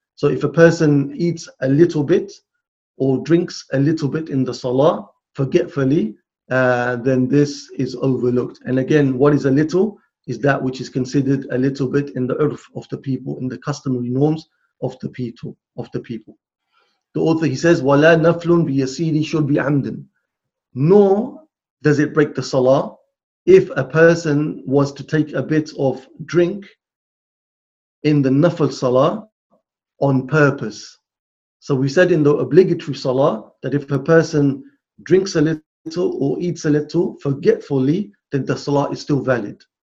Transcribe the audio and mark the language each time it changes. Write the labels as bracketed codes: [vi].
[en] So if a person eats a little bit or drinks a little bit in the salah forgetfully, then this is overlooked. And again, what is a little is that which is considered a little bit in the urf of the people, in the customary norms of the people. The author, he says, [ar] وَلَا نَفْلٌ بِيَسِيرٍ شُرْبِ عَمْدٍ. [en] Nor does it break the salah if a person was to take a bit of drink in the nafl salah on purpose. So we said in the obligatory salah that if a person drinks a little or eats a little forgetfully, then the salah is still valid.